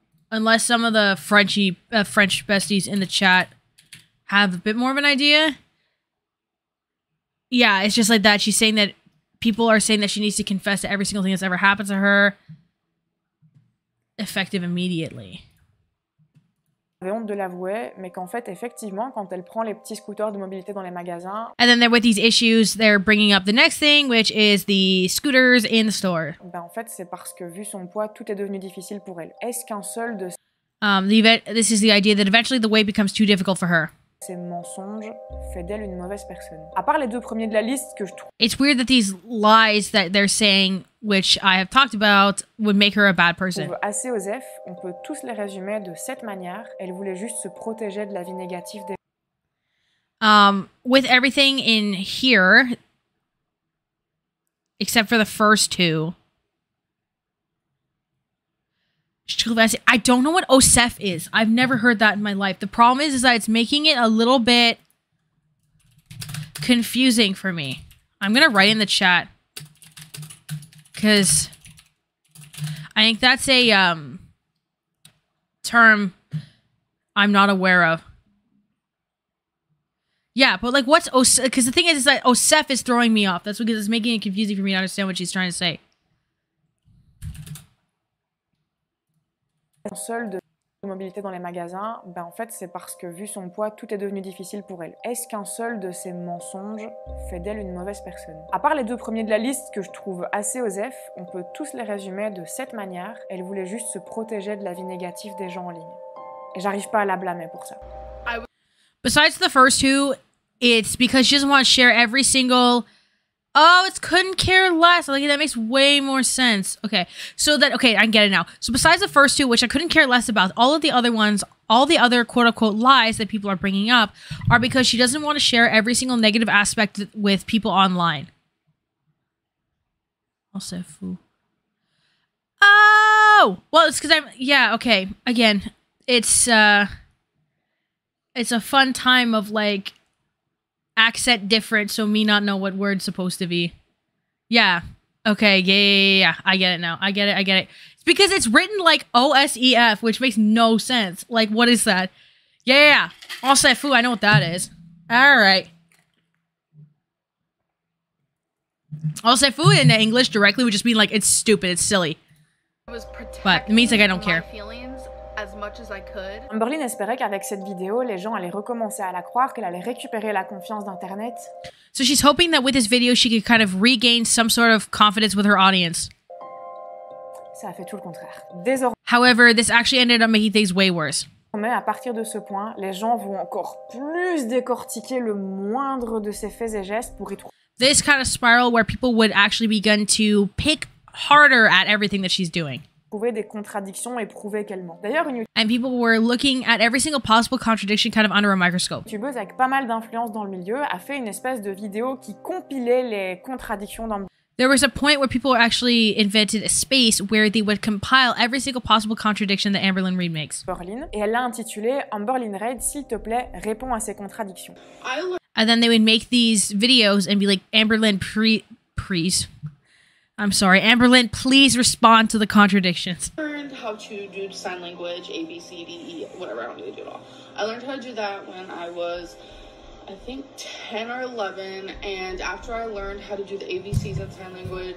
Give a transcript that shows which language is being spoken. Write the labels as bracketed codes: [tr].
[en] Unless some of the French besties in the chat have a bit more of an idea. Yeah, it's just like that. She's saying that people are saying that she needs to confess to every single thing that's ever happened to her. Effective immediately. [fr] J'avais honte de l'avouer, mais qu'en fait, effectivement, quand elle prend les petits scooters de mobilité dans les magasins... [en] And then with these issues, they're bringing up the next thing, which is the scooters in the store. [fr] Ben en fait, c'est parce que vu son poids, tout est devenu difficile pour elle. Est-ce qu'un seul de... [en] This is the idea that eventually the weight becomes too difficult for her. [fr] Ces mensonges fait d'elle une mauvaise personne. À part les deux premiers de la liste que je trouve... [en] It's weird that these lies that they're saying, which I have talked about, would make her a bad person. [fr] Assez aux F, on peut tous les résumer de cette manière. Elle voulait juste se protéger de la vie négative des... [en] With everything in here, except for the first two, I don't know what OSEF is. I've never heard that in my life. The problem is that it's making it a little bit confusing for me. I'm going to write in the chat. Because I think that's a term I'm not aware of. Yeah, but like what's OSEF? Because the thing is that OSEF is throwing me off. That's because it's making it confusing for me to understand what she's trying to say. [fr] Seule de mobilité dans les magasins, ben en fait c'est parce que vu son poids, tout est devenu difficile pour elle. Est-ce qu'un seul de ces mensonges fait d'elle une mauvaise personne? À part les deux premiers de la liste que je trouve assez OSEF, on peut tous les résumer de cette manière. Elle voulait juste se protéger de la vie négative des gens en ligne. Et j'arrive pas à la blâmer pour ça. [en] Besides the first two, it's because she doesn't want to share every single... Oh, it's couldn't care less. Like, that makes way more sense. Okay, so that, okay, I can get it now. So besides the first two, which I couldn't care less about, all of the other ones, all the other quote-unquote lies that people are bringing up are because she doesn't want to share every single negative aspect with people online. Also, foo. Oh! Well, it's because I'm, yeah, okay. Again, it's a fun time of, like, accent different, so me not know what word's supposed to be. Yeah. Okay, yeah. I get it now. I get it. It's because it's written like O-S-E-F, which makes no sense. Like, what is that? Yeah. Osefu, I know what that is. Alright. Osefu in English directly would just mean like, it's stupid, it's silly. I was protecting my feelings as much. much as I could. [fr] Amberlynn espérait qu'avec cette vidéo, les gens allaient recommencer à la croire, qu'elle allait récupérer la confiance d'Internet. [en] So she's hoping that with this video, she could kind of regain some sort of confidence with her audience. [fr] Ça a fait tout le contraire. [en] However, this actually ended up making things way worse. [fr] Mais à partir de ce point, les gens vont encore plus décortiquer le moindre de ses faits et gestes pour y trouver. [en] This kind of spiral where people would actually begin to pick harder at everything that she's doing. [fr] Trouver des contradictions et prouver qu'elle ment. D'ailleurs, une [en] YouTube... And people were looking at every single possible contradiction kind of under a microscope. [fr] YouTubeuse avec pas mal d'influence dans le milieu a fait une espèce de vidéo qui compilait les contradictions dans le... [en] There was a point where people actually invented a space where they would compile every single possible contradiction that Amberlynn Reid makes. [fr] Et elle l'a intitulé Amberlynn Reid, s'il te plaît, réponds à ces contradictions. [en] And then they would make these videos and be like, Amberlynn, please. I'm sorry, Amberlynn, please respond to the contradictions. I learned how to do sign language, A, B, C, D, E, whatever, I don't need to do it all. I learned how to do that when I was, I think, 10 or 11, and after I learned how to do the ABCs of sign language...